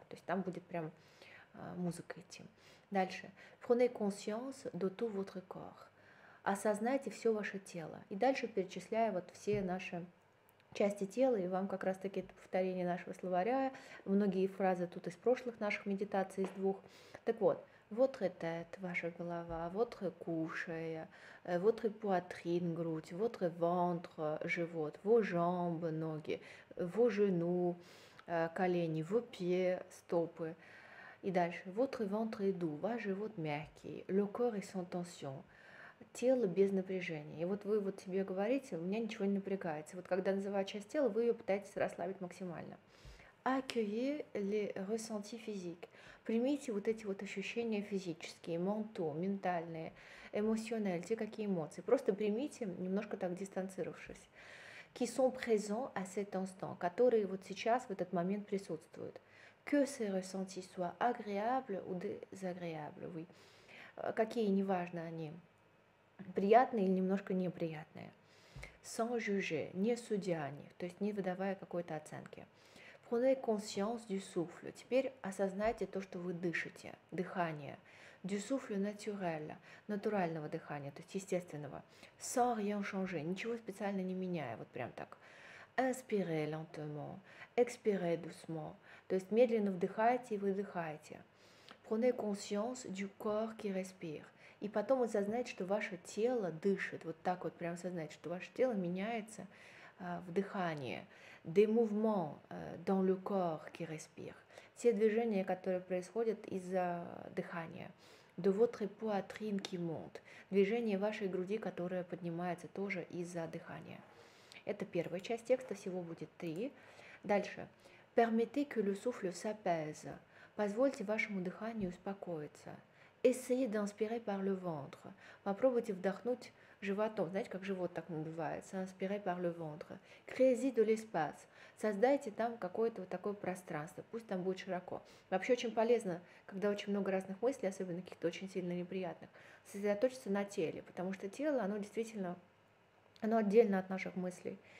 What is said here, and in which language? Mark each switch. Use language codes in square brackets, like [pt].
[ru] То есть там будет прям музыка идти. Дальше. [fr] «Prenez conscience de tout votre corps». [ru] Осознайте все ваше тело. И дальше перечисляю вот все наши части тела, и вам как раз-таки это повторение нашего словаря. Многие фразы тут из прошлых наших медитаций, из двух. Так вот, [fr] votre tête, [ru] ваша голова, [fr] votre couche, votre poitrine, [ru] грудь, [fr] votre ventre, [ru] живот, [fr] vos jambes, [ru] ноги, [fr] vos genoux, [ru] колени, [fr] vos pieds, [ru] стопы. И дальше, [fr] votre ventre est doux, [ru] ваш живот мягкий, [fr] le corps est sans tension. [ru] Тело без напряжения. И вот вы вот себе говорите, у меня ничего не напрягается. Вот когда называю часть тела, вы ее пытаетесь расслабить максимально. [fr] Accueillez les ressentis physiques. [ru] Примите вот эти вот ощущения физические, [fr] mentaux, [ru] ментальные, эмоциональные, те какие эмоции. Просто примите, немножко так дистанцировавшись. [fr] Qui sont présents à cet instant, [ru] которые вот сейчас, в этот момент присутствуют. [fr] Que ces ressentis soient agréables ou désagréables. Oui. [ru] Какие, неважно они. Приятные или немножко неприятные. [fr] Sans juger, [ru] не судя о них, то есть не выдавая какой-то оценки. [fr] Prenez conscience du souffle. [ru] Теперь осознайте то, что вы дышите, дыхание. [fr] Du souffle naturel, [ru] натурального дыхания, то есть естественного. [fr] Sans rien changer, [ru] ничего специально не меняя, вот прям так. [fr] Inspirez lentement, expirez doucement. [ru] То есть медленно вдыхайте и выдыхайте. [fr] Prenez conscience du corps qui respire. [ru] И потом осознать, что ваше тело дышит. Вот так вот прям осознать, что ваше тело меняется в дыхании. [fr] Des mouvements dans le corps qui respire. [ru] Все движения, которые происходят из-за дыхания. [fr] De votre poitrine qui monte. [ru] Движение вашей груди, которое поднимается тоже из-за дыхания. Это первая часть текста, всего будет три. Дальше. [fr] Permettez que le souffle s'apaise. [ru] Позвольте вашему дыханию успокоиться. [fr] Essayez d'inspirer par le ventre. [ru] Попробуйте вдохнуть животом. Знаете, как живот так надувается? [fr] Inspirez par le ventre. Créez-y de l'espace. [ru] Создайте там какое-то вот такое пространство. Пусть там будет широко. Вообще очень полезно, когда очень много разных мыслей, особенно каких-то очень сильно неприятных, сосредоточиться на теле, потому что тело, оно действительно, оно отдельно от наших мыслей.